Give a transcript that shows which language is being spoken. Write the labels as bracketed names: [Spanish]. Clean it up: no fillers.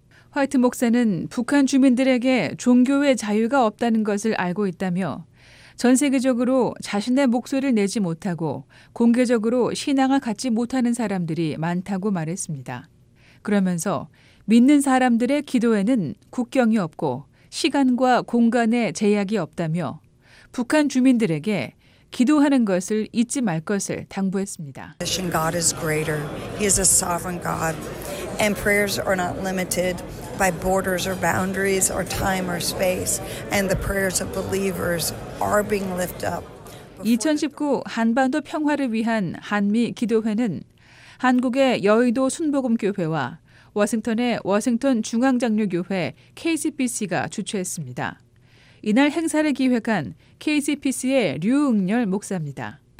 [Korean] 화이트 목사는 북한 주민들에게 종교의 자유가 없다는 것을 알고 있다며 전 세계적으로 자신의 목소리를 내지 못하고 공개적으로 신앙을 갖지 못하는 사람들이 많다고 말했습니다. 그러면서 믿는 사람들의 기도에는 국경이 없고 시간과 공간의 제약이 없다며 북한 주민들에게 기도하는 것을 잊지 말 것을 당부했습니다. [English] God is greater. He is a sovereign God. And prayers are not limited by borders or boundaries or time or space. And the prayers of believers are being lifted up. [Korean] 2019 한반도 평화를 위한 한미 기도회는 한국의 여의도 순복음교회와 워싱턴의 워싱턴 중앙장로교회 KCPC가 주최했습니다. 이날 행사를 기획한 KCPC의 류응열 목사입니다.